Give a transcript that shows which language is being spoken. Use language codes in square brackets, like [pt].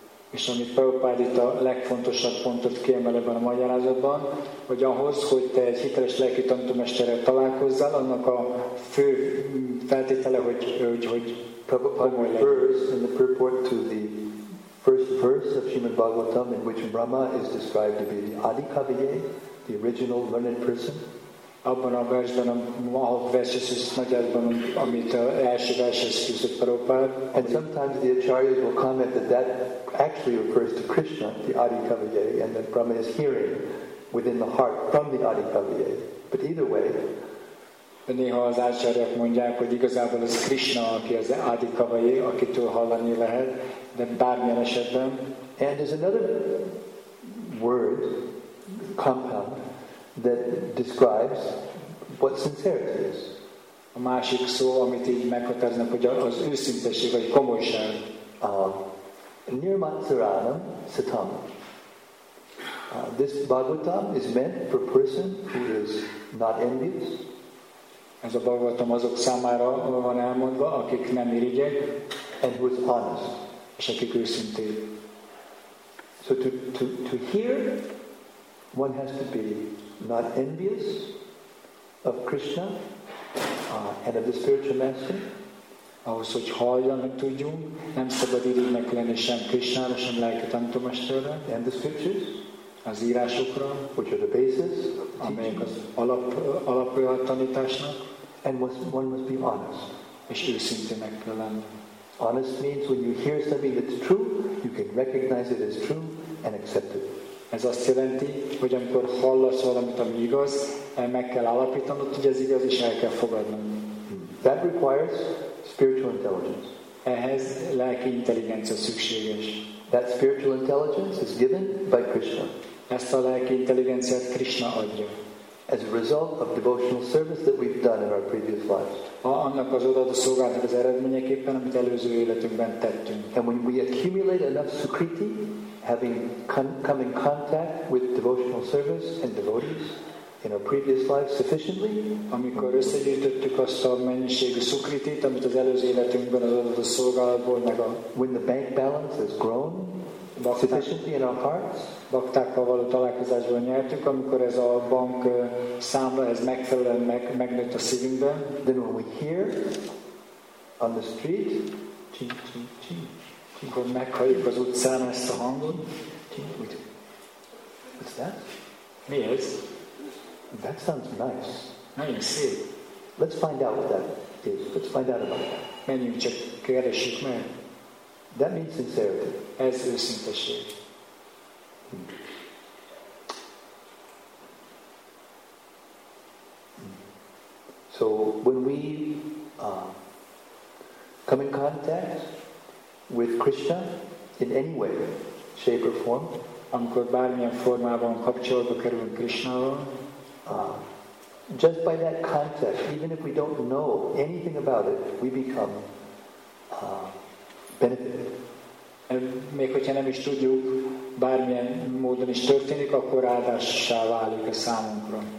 [hu] És amit Prabhupád itt a legfontosabb pontot kiemel ebben a magyarázatban, hogy ahhoz, hogy te egy hiteles lelki tanítómesterrel találkozzál, annak a fő feltétele, hogy [en] Prabhupád refers in the purport to the first verse of Srimad Bhagavatam, in which Brahma is described to be the Adi Kaviye, the original learned person. [hu] abban a versben, a mahat verses nagyjából, amit a első verses küzdött Prabhupád. [en] And sometimes the acharyas will comment that that actually refers to Krishna, the Adi Kaviye, and that Brahma is hearing within the heart from the Adi Kaviye. But either way, [hu] néha az acharyák mondják, hogy igazából ez Krishna, aki az Adi Kaviye, akitől hallani lehet, de bármilyen esetben. [en] And there's another word, compound, that describes what sincerity is. [hu] A másik szó, amit így meghatároznak, hogy az őszintesség vagy komolyság. [sa] Nirmatsaranam satam. [en] This Bhagavatam is meant for a person who is not envious. [hu] Ez a Bhagavatam azok számára van elmondva, akik nem irigyek, [en] and who is honest. [hu] És akik őszintén. [en] So to hear, one has to be not envious of Krishna and of the spiritual master. [hu] Ahhoz, hogy halljanak tudjunk, nem szabad irigynek lenni sem Krishnára, sem Lelki Tanító Mesterre. [en] And the scriptures, [hu] az írásokra, [en] which are the basis, [hu] amelyek az alapja a tanításnak. [en] And one must be honest. [hu] És őszintének kell lenni. [en] Honest means when you hear something that's true, you can recognize it as true and accept it. [hu] Ez azt jelenti, hogy amikor hallasz valamit, ami igaz, meg kell állapítanod, hogy ez igaz, és el kell fogadnod. [en] That requires spiritual intelligence. [hu] Ehhez lelki intelligencia szükséges. [en] That spiritual intelligence is given by Krishna. [hu] Ezt a lelki intelligenciát Krishna adja. [en] As a result of devotional service that we've done in our previous lives. [hu] Annak az odaadó szolgálatnak az eredményeképpen, amit előző életünkben tettünk. [en] And when we accumulate enough sukriti, having come in contact with devotional service and devotees in our previous lives sufficiently, [hu] amikor összegyűjtöttük azt a mennyiségű szukritit, amit az előző életünkben az adott szolgálatból meg a... [en] When the bank balance has grown sufficiently in our hearts, [hu] baktákkal való találkozásban nyertük, amikor ez a bank számla, ez megfelelően megnőtt a szívünkben, [en] then when we hear on the street, ching, ching, ching, [hu] amikor meghalljuk az utcán ezt a hangot. [en] What's that? [hu] Mi ez? [en] That sounds nice. [hu] Nagyon szép. [en] Let's find out what that is. Let's find out about that. [hu] Menjünk csak, keresjük meg. [en] That means sincerity. [hu] Ez őszintesség. [en] So when we come in contact with Krishna in any way, shape or form, [hu] amikor bármilyen formában kapcsolatba kerülünk Krishnával, [en] just by that contact, even if we don't know anything about it, we become benefited. [hu] Még hogyha nem is tudjuk, bármilyen módon is történik, akkor áldássá válik a számunkra.